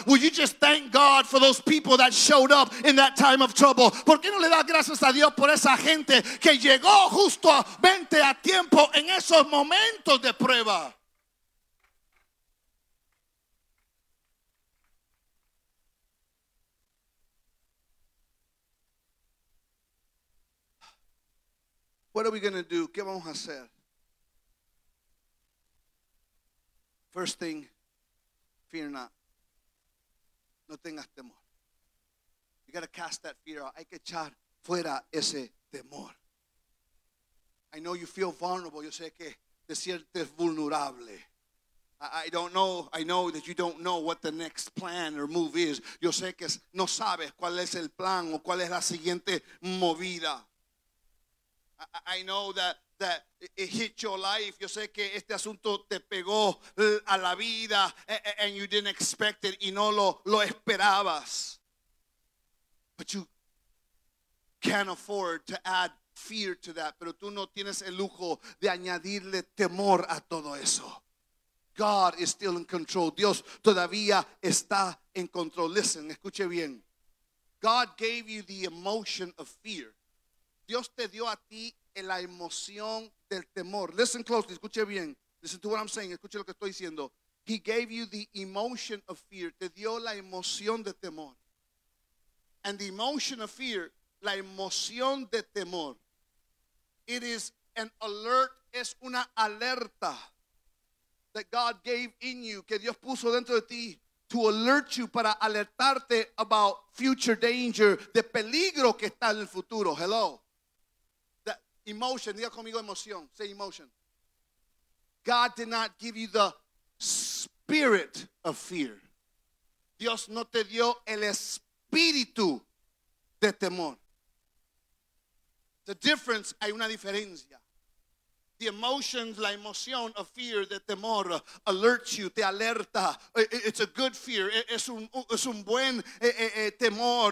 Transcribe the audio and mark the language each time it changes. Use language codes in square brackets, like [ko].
[en] Will you just thank God for those people that showed up in that time of trouble? [es] ¿Por qué no le das gracias a Dios por esa gente que llegó justamente a tiempo en esos momentos de prueba? [en] What are we going to do? [es] ¿Qué vamos a hacer? [en] First thing, fear not. [es] No tengas temor. [en] You got to cast that fear out. [es] Hay que echar fuera ese temor. [en] I know you feel vulnerable. [es] Yo sé que te sientes vulnerable. [en] I don't know. I know that you don't know what the next plan or move is. [es] Yo sé que no sabes cuál es el plan o cuál es la siguiente movida. [en] I know that it hit your life. [es] Yo sé que este asunto te pegó a la vida [en] and you didn't expect it [es] y no lo esperabas. [en] But you can't afford to add fear to that. [es] Pero tú no tienes el lujo de añadirle temor a todo eso. [en] God is still in control. [es] Dios todavía está en control. [en] Listen, [es] escuche bien. [en] God gave you the emotion of fear. [es] Dios te dio a ti la emoción del temor. [en] Listen closely, [es] escuche bien. [en] Listen to what I'm saying, [es] escuche lo que estoy diciendo. [en] He gave you the emotion of fear. [es] Te dio la emoción de temor. [en] And the emotion of fear, [es] la emoción de temor, [en] it is an alert, [es] es una alerta [en] that God gave in you, [es] que Dios puso dentro de ti, [en] to alert you, [es] para alertarte [en] about future danger, [es] de peligro que está en el futuro. [en] Hello. [es] Emotion, diga conmigo emoción, [en] say emotion. God did not give you the spirit of fear. [es] Dios no te dio el espíritu de temor. [en] The difference, [es] hay una diferencia. [en] The emotions, [es] la emoción [en] of fear, [es] de temor, [en] alerts you, [es] te alerta. [en] It's a good fear. [es] Es un buen temor.